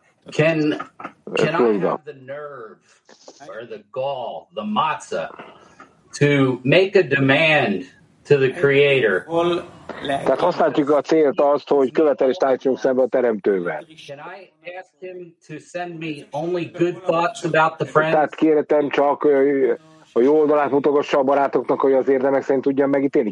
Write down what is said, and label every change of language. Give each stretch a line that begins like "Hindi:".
English: Can I have the nerve or the gall, the matzah, to make a demand to the Creator?
Hungarian: Tehát használjuk a célt azt, hogy követelést állítsunk szembe a Teremtővel.
English: Can I ask him to send me only good thoughts about the friends?
Hungarian: Tehát kérhetem csak, a jó oldalát mutogassa a barátoknak, hogy az érdemek szerint tudjam megítélni.